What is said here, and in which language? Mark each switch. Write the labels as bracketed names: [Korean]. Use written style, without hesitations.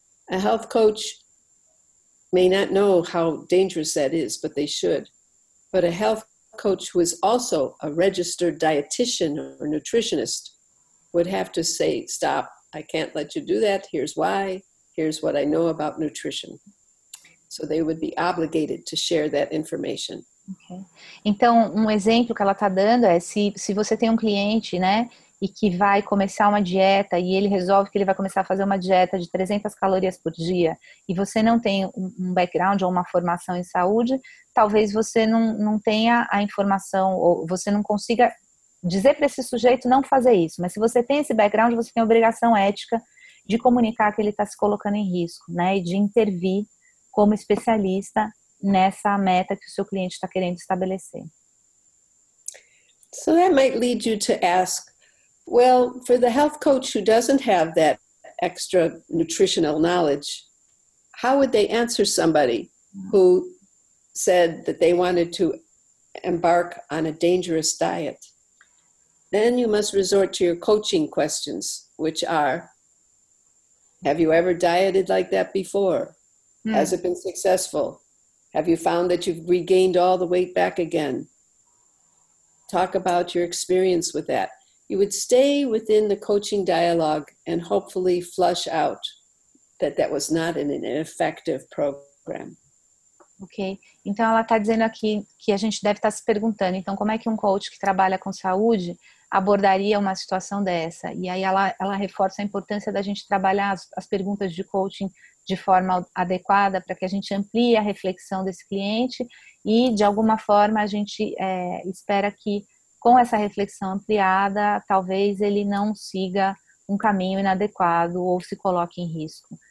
[English] A health coach may not know how dangerous that is, but they should. But a health coach was also a registered dietitian or nutritionist would have to say, stop, I can't let you do that. Here's why. Here's what I know about nutrition. So they would be obligated to share that information. Okay. [Portuguese] Então, exemplo que ela está dando é se você tem cliente, né, e que vai começar uma dieta e ele resolve que ele vai começar a fazer uma dieta de 300 calorias por dia e você não tem um background ou uma formação em saúde, talvez você não tenha a informação ou você não consiga dizer para esse sujeito não fazer isso. Mas se você tem esse background, você tem a obrigação ética de comunicar que ele está se colocando em risco, né, e de intervir como especialista nessa meta que o seu cliente está querendo estabelecer. [English] So that might lead you to ask, well, for the health coach who doesn't have that extra nutritional knowledge, how would they answer somebody who said that they wanted to embark on a dangerous diet? Then you must resort to your coaching questions, which are, have you ever dieted like that before? Has it been successful? Have you found that you've regained all the weight back again? Talk about your experience with that. You would stay within the coaching dialogue and hopefully flush out that was not an ineffective program. Ok. [Portuguese] Então, ela está dizendo aqui que a gente deve estar se perguntando, então, como é que coach que trabalha com saúde abordaria uma situação dessa? E aí ela reforça a importância da gente trabalhar as perguntas de coaching de forma adequada para que a gente amplie a reflexão desse cliente e, de alguma forma, a gente espera que, com essa reflexão ampliada, talvez ele não siga caminho inadequado ou se coloque em risco.